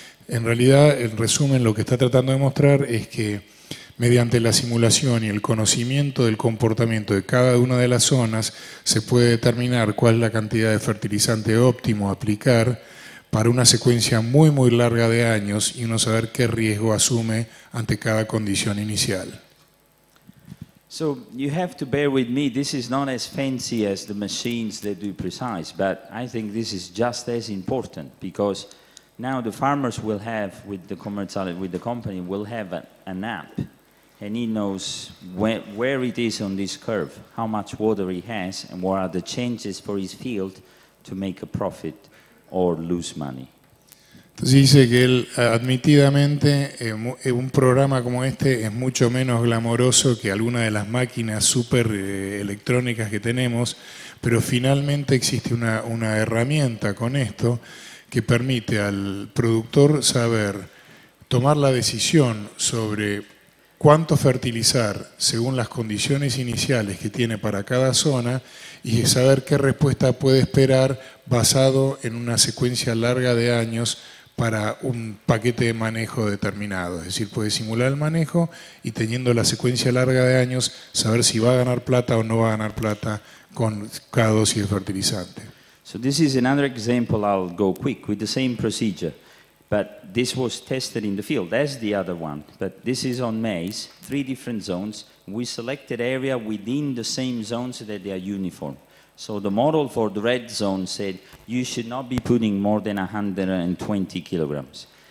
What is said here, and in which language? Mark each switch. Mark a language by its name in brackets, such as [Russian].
[Spanish] En realidad, en resumen, lo que está tratando de mostrar es que mediante la simulación y el conocimiento del comportamiento de cada una de las zonas, se puede determinar cuál es la cantidad de fertilizante óptimo a aplicar para una secuencia muy, muy larga de años y uno saber qué riesgo asume ante cada condición inicial. [English] So you have to bear with me, this is not as fancy as the machines that do precise, but I think this is just as important, because now the farmers will have, with the company, will have an app, and he knows where it is on this curve, how much water he has, and what are the changes for his field to make a profit or lose money. [Spanish] Entonces dice que él, admitidamente, un programa como este es mucho menos glamoroso que alguna de las máquinas super electrónicas que tenemos, pero finalmente existe una herramienta con esto que permite al productor saber tomar la decisión sobre cuánto fertilizar según las condiciones iniciales que tiene para cada zona y saber qué respuesta puede esperar basado en una secuencia larga de años para un paquete de manejo determinado. Es decir, puede simular el manejo y teniendo la secuencia larga de años, saber si va a ganar plata o no va a ganar plata con cada dosis de fertilizante. [English] So this is another example, I'll go quick, with the same procedure. But this was tested in the field, as the other one. But this is on maize, three different zones. We selected area within the same zones so that they are uniform. So the model for the red zone said, you should not be putting more than 120 kilograms.